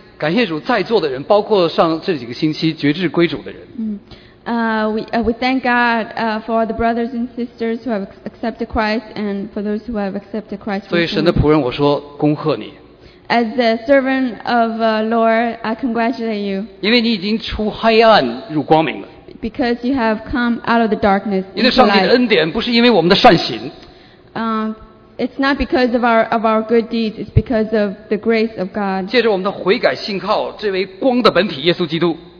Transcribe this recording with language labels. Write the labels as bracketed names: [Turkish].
[Chinese] 感谢主，在座的人，包括上这几个星期决志归主的人。 [English] We thank God for all the brothers and sisters who have accepted Christ and for those who have accepted Christ. [Chinese] 所以神的仆人，我说恭贺你。 [English] As a servant of Lord, I congratulate you. [Chinese] 因为你已经出黑暗入光明了。 [English] Because you have come out of the darkness into light. [Chinese] 因为上帝的恩典不是因为我们的善行。 [English] It's not because of our good deeds. It's because of the grace of God. [Chinese] 借着我们的悔改信靠这位光的本体耶稣基督。